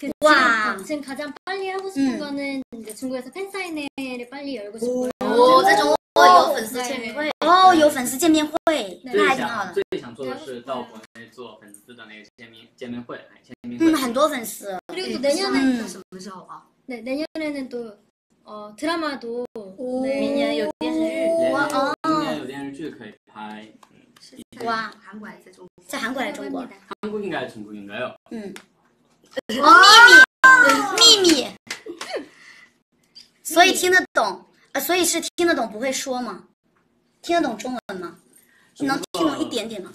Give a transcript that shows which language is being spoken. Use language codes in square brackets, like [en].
[ko] 哇지금가장빨리하고싶은거는중국에서팬사인회를빨리열고싶어요 [zh] 오在中国有粉丝见面会哦有粉丝见面会最想最想做的是到国内做粉丝的那个见面会见面会很多粉丝 [ko] 그리고내년에 [zh] 什么时候啊 [ko] 네내년에는또드라마도 [zh] 明年有电视剧哇哦明年有电视剧可以拍哇韩国在中国在韩国来中国韩国应该中国应该有秘密所以听得懂所以是听得懂不会说吗听得懂中文吗你能听懂一点点吗